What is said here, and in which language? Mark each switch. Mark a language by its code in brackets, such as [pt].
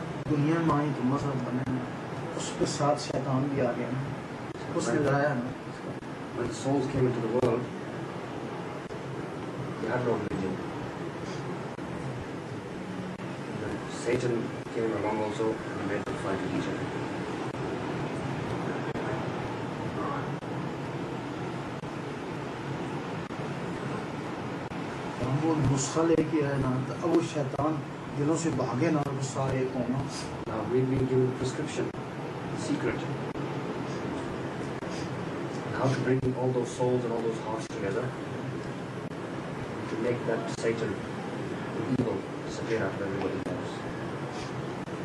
[ur] دنیا میں آئی تو مذہب بنے, اس کے ساتھ شیطان بھی آ گیا نا, اس نے ڈرایا نا. [en] When the souls came into the world, they had no religion. Then Satan came along also and made them fight with each other. [ur] ہم وہ نسخہ لے کے آئے نا, اب وہ شیطان دلوں سے بھاگے نا سارے قوموں. [en] Now we've been given a prescription, a secret, how to bring all those souls and all those hearts together to make that Satan, the evil, disappear out of everybody's house.